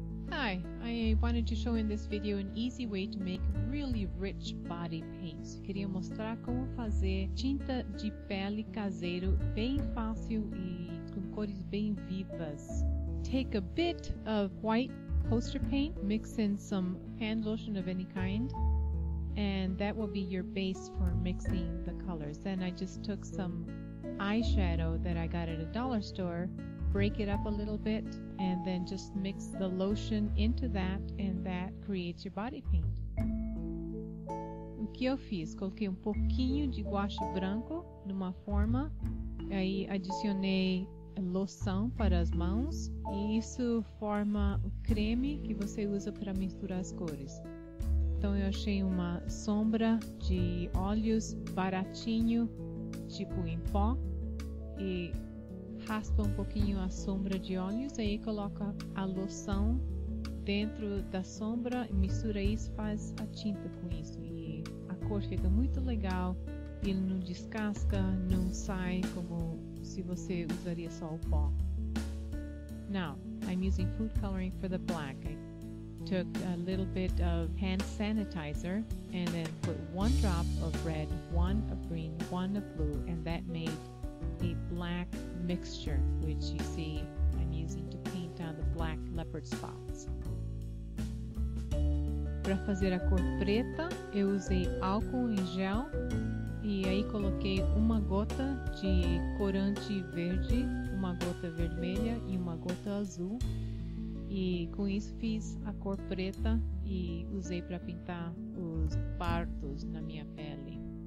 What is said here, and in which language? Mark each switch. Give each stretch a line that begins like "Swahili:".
English: Hi, I wanted to show in this video an easy way to make really rich body paints.
Portuguese: Queria mostrar como fazer tinta de pele caseiro bem fácil e com cores bem vivas.
English: Take a bit of white poster paint, mix in some hand lotion of any kind, and that will be your base for mixing the colors. Then I just took some eyeshadow that I got at a dollar store, break it up a little bit, and then just mix the lotion into that, and that creates your body paint.
Portuguese: O que eu fiz? Coloquei um pouquinho de guache branco numa forma, aí adicionei loção para as mãos, e isso forma o creme que você usa para misturar as cores. Então eu achei uma sombra de olhos baratinho, tipo em pó, e raspa um pouquinho a sombra de olhos, aí coloca a loção dentro da sombra, mistura isso, faz a tinta com isso. E a cor fica muito legal, ele não descasca, não sai como se você usaria só o pó.
English: Now, I'm using food coloring for the black. I took a little bit of hand sanitizer and then put one drop of red, one of green, one of blue, and that made a black mixture, which you see I'm using to paint on the black leopard spots.
Portuguese: Para fazer a cor preta, eu usei álcool em gel e aí coloquei uma gota de corante verde, uma gota vermelha e uma gota azul. E com isso fiz a cor preta e usei para pintar os pardos na minha pele.